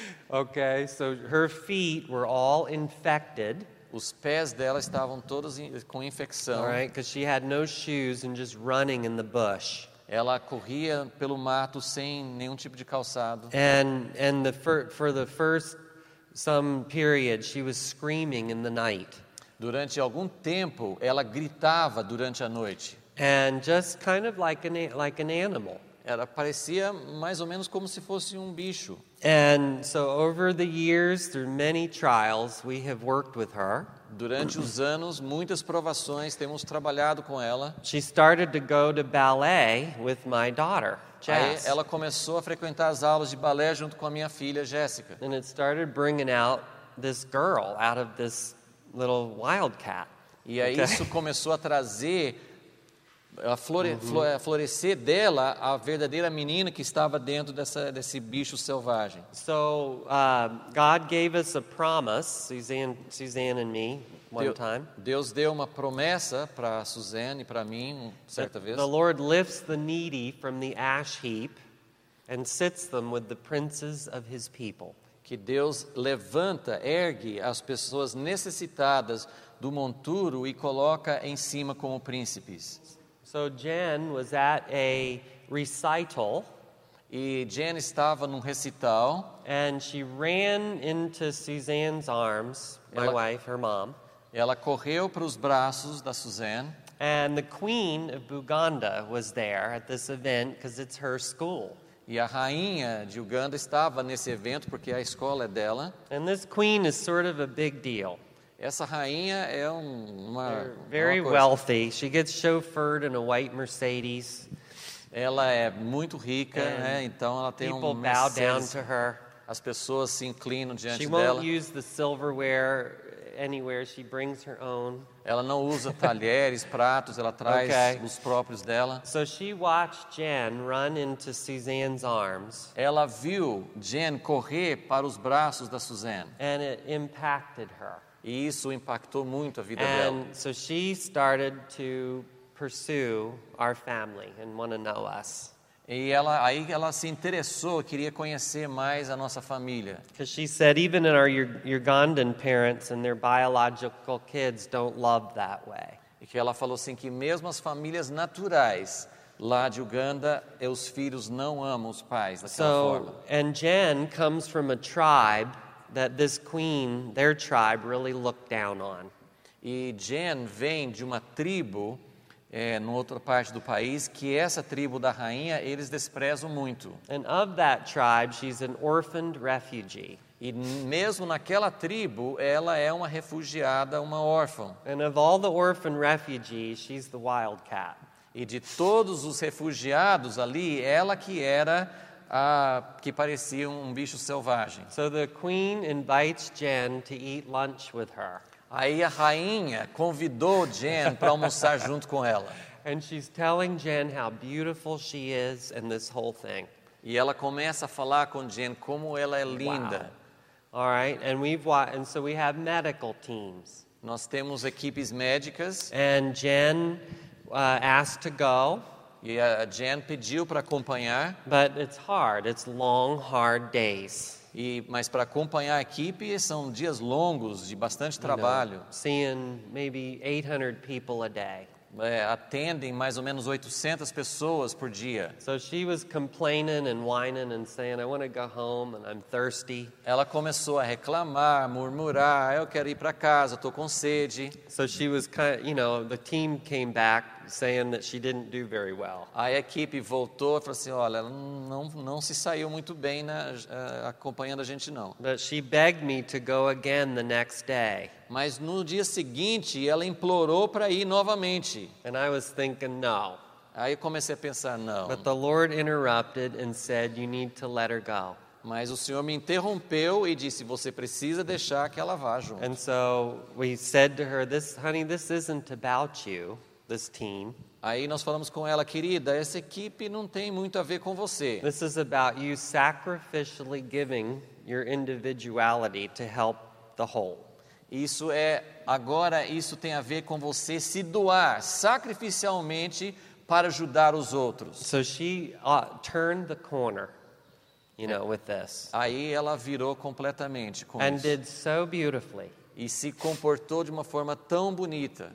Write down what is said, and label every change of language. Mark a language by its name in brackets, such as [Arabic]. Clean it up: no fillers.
[English] Okay, so her feet were all infected. [Portuguese] Os pés dela estavam todos com infecção. [English] All right, because she had no shoes and just running in the bush. [Portuguese] Ela corria pelo mato sem nenhum tipo de calçado. [English] And for the first some period, she was screaming in the night. [Portuguese] Durante algum tempo, ela gritava durante a noite. [English] And just kind of like an animal. [Portuguese] Ela parecia mais ou menos como se fosse um bicho. [English] And so over the years, through many trials, we have worked with her. [Portuguese] Durante os anos, muitas provações, temos trabalhado com ela. [English] She started to go to ballet with my daughter, Jess. [Portuguese] Aí ela começou a frequentar as aulas de balé junto com a minha filha, Jessica. [English] And it started bringing out this girl out of this little wildcat. [Portuguese] E aí isso começou a trazer a florescer dela a verdadeira menina que estava dentro desse bicho selvagem. [English] So, God gave us a promise, Suzanne and me, one time. [Portuguese] Deus deu uma promessa para Suzanne e para mim, certa vez. [English] The Lord lifts the needy from the ash heap and sits them with the princes of his people. [Portuguese] Que Deus levanta, ergue as pessoas necessitadas do monturo e coloca em cima como príncipes. [English] So Jen was at a recital. [Portuguese] E Jen estava num recital. [English] And she ran into Suzanne's arms, my wife, her mom. [Portuguese] Ela correu para os braços da Suzanne. [English] And the queen of Buganda was there at this event because it's her school. [Portuguese] E a rainha de Uganda estava nesse evento porque a escola é dela. [English] And this queen is sort of a big deal. [Portuguese] Essa rainha é [English] very wealthy. She gets chauffeured in a white Mercedes. [Portuguese] Ela é muito rica, né? Então ela tem [English] people um bow down to her. [Portuguese] As pessoas se inclinam diante [English] she [Portuguese] dela. [English] She won't use the silverware anywhere. She brings her own. [Portuguese] Ela não usa talheres, pratos. Ela traz os próprios dela. [English] So she watched Jen run into Suzanne's arms. [Portuguese] Ela viu Jen correr para os braços da Suzanne. [English] And it impacted her. [Portuguese] E isso impactou muito a vida [English] and [Portuguese] dela. [English] So she started to pursue our family and want to know us. [Portuguese] E ela aí ela se interessou, queria conhecer mais a nossa família. [English] Because she said even in our Ugandan parents and their biological kids don't love that way. [Portuguese] E que ela falou assim que mesmo as famílias naturais lá de Uganda, os filhos não amam os pais daquela forma. [English] And Jen comes from a tribe that this queen, their tribe, really looked down on. [Portuguese] E Jen vem de uma tribo em outra parte do país que essa tribo da rainha eles desprezam muito. [English] And of that tribe, she's an orphaned refugee. [Portuguese] E mesmo naquela tribo, ela é uma refugiada, uma órfã. [English] And of all the orphan refugees, she's the wildcat. [Portuguese] E de todos os refugiados ali, ela que era a que parecia um bicho selvagem. [English] So the queen invites Jen to eat lunch with her. [Portuguese] Aí a rainha convidou Jen para almoçar junto com ela. [English] And she's telling Jen how beautiful she is and this whole thing. [Portuguese] E ela começa a falar com Jen como ela é linda. [English] Wow. All right, and so we have medical teams. [Portuguese] Nós temos equipes médicas. [English] And Jen asked to go. [Portuguese] E a Jen pediu para acompanhar. [English] But it's hard. It's long, hard days. [Portuguese] Mas para acompanhar a equipe são dias longos de bastante trabalho. [English] You know, seeing maybe 800 people a day. [Portuguese] Atendem mais ou menos 800 pessoas por dia. [English] So she was complaining and whining and saying, I want to go home and I'm thirsty. [Portuguese] Ela começou a reclamar, murmurar, eu quero ir para casa, estou com sede. [English] So she was kind of, you know, the team came back saying that she didn't do very well. [Portuguese] Aí a equipe voltou e falou assim, olha, não se saiu muito bem acompanhando a gente não. [English] But she begged me to go again the next day. [Portuguese] Mas no dia seguinte, ela implorou para ir novamente. [English] And I was thinking, no. [Portuguese] Aí eu comecei a pensar, não. [English] But the Lord interrupted and said, you need to let her go. [Portuguese] Mas o Senhor me interrompeu e disse, você precisa deixar que ela vá junto. [English] And so we said to her, this, honey, this isn't about you, this team. [Portuguese] Aí nós falamos com ela, querida, essa equipe não tem muito a ver com você. [English] This is about you sacrificially giving your individuality to help the whole. [Portuguese] Isso é, agora isso tem a ver com você se doar sacrificialmente para ajudar os outros. [English] So she turned the corner, you know, with this. [Portuguese] Aí ela virou completamente com [English] and [Portuguese] isso. [English] And did so beautifully. [Portuguese] E se comportou de uma forma tão bonita.